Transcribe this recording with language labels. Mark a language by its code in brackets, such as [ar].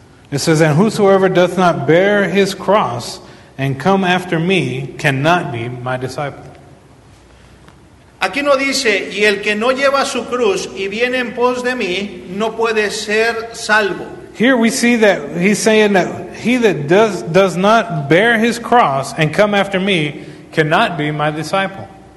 [en] It says, "And whosoever doth not bear his cross and come after me cannot be my disciple." [es] Aquí no dice, y el que no lleva su cruz y viene en pos de mí, no puede ser salvo. [en] Here we see that he's saying that he that does not bear his cross and come after me cannot be my disciple.